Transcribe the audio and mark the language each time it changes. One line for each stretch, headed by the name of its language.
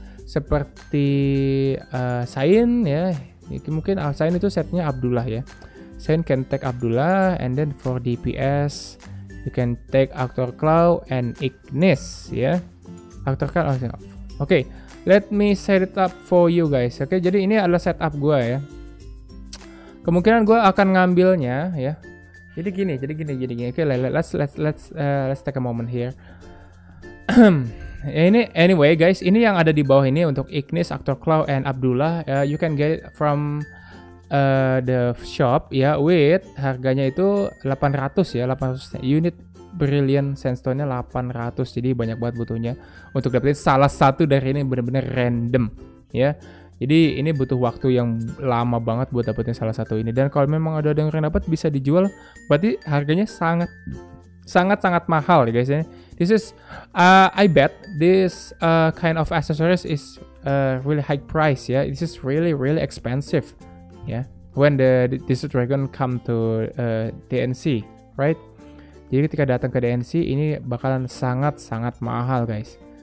Indonesian: Seperti Sain ya. Mungkin Sain itu setnya Abdullah ya.
English: Sain can take Abdullah, and then for DPS you can take Actor Claw and Ignis ya. Yeah. Actor Claw. Oke, okay, let me set it up for you guys.
Indonesian: Oke, okay, jadi ini adalah setup gue ya. Kemungkinan gue akan ngambilnya ya. Yeah. Jadi gini. Oke, okay, let's take a moment here. Ya ini anyway guys, ini yang ada di bawah ini untuk Ignis, Actor Claw and Abdullah.
English: You can get it from the shop ya, yeah, with harganya itu 800 ya, 800 unit brilliant sandstone-nya 800.
Indonesian: Jadi banyak banget butuhnya untuk dapetin salah satu dari ini, benar-benar random ya. Yeah. Jadi ini butuh waktu yang lama banget buat dapetin salah satu ini, dan kalau memang ada yang dapat bisa dijual, berarti harganya sangat sangat-sangat mahal ya guys.
English: This is I bet this kind of accessories is really high price ya. Yeah? This is really really expensive. Ya. Yeah? When the Desert Dragon come to DNC, right?
Indonesian: Jadi ketika datang ke DNC ini bakalan sangat-sangat mahal guys.